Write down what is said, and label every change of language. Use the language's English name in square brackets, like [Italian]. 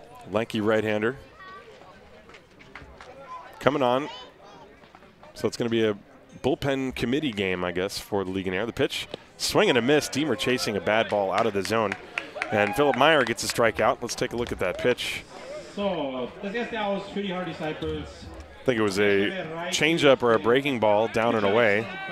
[English] Lanky right-hander. Coming on So it's going to be a bullpen committee game, I guess, for the Legionnaire. The pitch, swing and a miss. Deemer chasing a bad ball out of the zone. And Philip Meyer gets a strikeout. Let's take a look at that pitch. [German] So, das erste aus für die Hardy Cycles. [English] I think it was a changeup or a breaking ball down and away.